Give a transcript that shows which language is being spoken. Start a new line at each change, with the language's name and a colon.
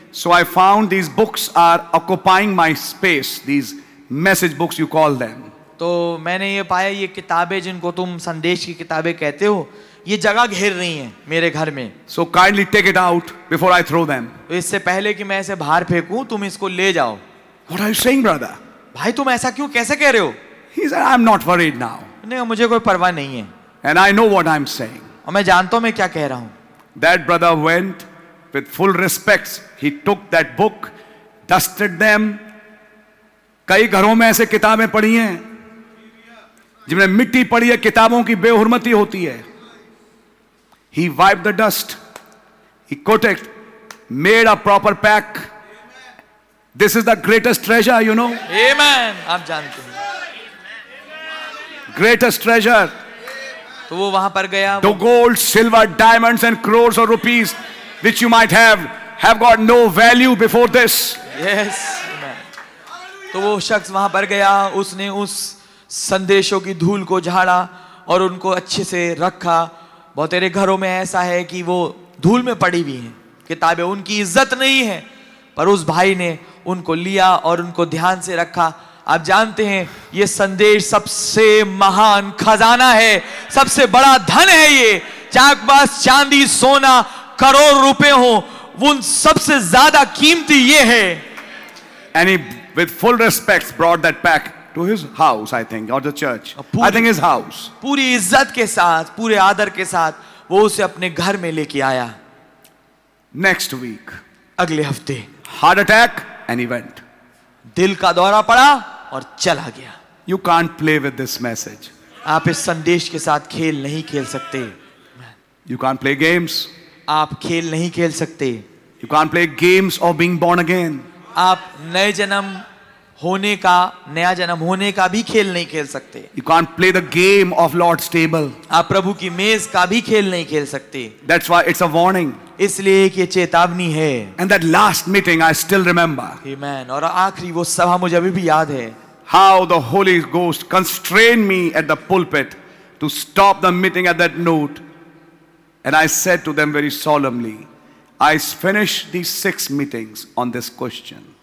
English: So I found these books are occupying my space. These message books, you call them.
Hindi: तो मैंने ये पाया ये किताबें जिनको तुम संदेश की किताबें कहते हो, ये जगह घेर रही हैं मेरे घर में.
English: So kindly take it out before I throw them.
Hindi: इससे पहले कि मैं इसे बाहर फेंकूँ, तुम इसको ले जाओ.
English: What are you saying, brother?
Hindi: भाई तुम ऐसा क्यों कैसे कह रहे हो?
English: He said, I'm not worried now.
Hindi: नहीं, मुझे कोई परवाह नहीं है.
English: And I know what I'm saying.
Hindi: और मैं जानता हूं मैं क्या कह रहा हूं.
English: That brother went with full respects. He took that book, dusted them.
Hindi: कई घरों में ऐसे किताबें पढ़ी हैं जिनमें मिट्टी पड़ी है, किताबों की बेहुरमती होती है.
English: He wiped the dust. He quoted, made a proper pack. This is the greatest treasure, you know.
Hindi: Amen. आप जानते हैं.
English: Greatest treasure.
Hindi: तो वो वहां पर गया.
English: The gold, silver, diamonds and crores or rupees which you might have got no value before this. Yes.
Hindi: तो वो शख्स वहां पर गया, उसने उस संदेशों की धूल को झाड़ा और उनको अच्छे से रखा. बहुत तेरे घरों में ऐसा है कि वो धूल में पड़ी हुई हैं किताबें, उनकी इज्जत नहीं है. पर उस भाई ने उनको लिया और उनको ध्यान से रखा. आप जानते हैं ये संदेश सबसे महान खजाना है, सबसे बड़ा धन है. ये चाकबास चांदी सोना करोड़ रुपए हो, उन सबसे ज्यादा कीमती ये है.
English: And he with full respects brought that pack to his house, I think, or the church. I think his house.
Hindi: पूरी इज्जत के साथ, पूरे आदर के साथ वो उसे अपने घर में लेके आया.
English: Next week.
Hindi: अगले हफ्ते.
English: Heart attack and he went.
Hindi: दिल का दौरा पड़ा और चला गया.
English: You can't play with this message.
Hindi: आप इस संदेश के साथ खेल नहीं खेल सकते.
English: You can't play games.
Hindi: आप खेल नहीं खेल सकते.
English: You can't play games of being born again.
Hindi: आप नए जन्म होने का, नया जन्म होने का भी खेल नहीं खेल सकते.
English: You can't play the game of Lord's table.
Hindi: आप प्रभु की मेज का भी खेल नहीं खेल सकते.
English: That's why it's a warning.
Hindi: इसलिए कि ये चेतावनी है.
English: And that last meeting I still remember. Amen.
Hindi: और आखिरी वो सभा मुझे अभी भी याद है.
English: How the Holy Ghost constrained me at the pulpit to stop the meeting at that note. And I said to them very solemnly, I finished these six meetings on this question.